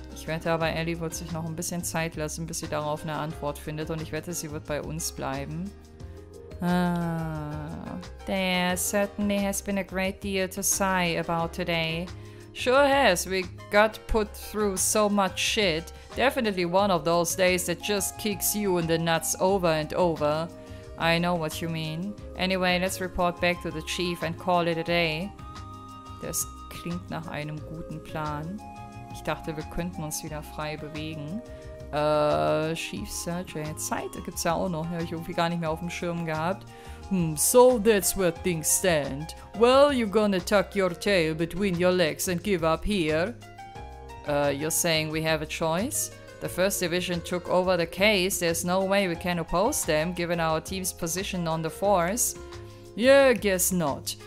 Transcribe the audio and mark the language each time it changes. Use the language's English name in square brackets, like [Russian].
[German] Ich wette aber, Ellie wird sich noch ein bisschen Zeit lassen, bis sie darauf eine Antwort findet. Und ich wette, sie wird bei uns bleiben. [English] There certainly has been a great deal to sigh about today. Sure has. We got put through so much shit. Definitely one of those days that just kicks you in the nuts over and over. I know what you mean. Anyway, let's report back to the chief and call it a day. [German] Das klingt nach einem guten Plan. Ich dachte, wir könnten uns wieder frei bewegen. Chief Sergeant. Zeit gibt's ja auch noch. Habe ich irgendwie gar nicht mehr auf dem Schirm gehabt. [English] So that's where things stand. Well, you're gonna tuck your tail between your legs and give up here. You're saying we have a choice? The First Division took over the case. There's no way we can oppose them, given our team's position on the force. Yeah, guess not.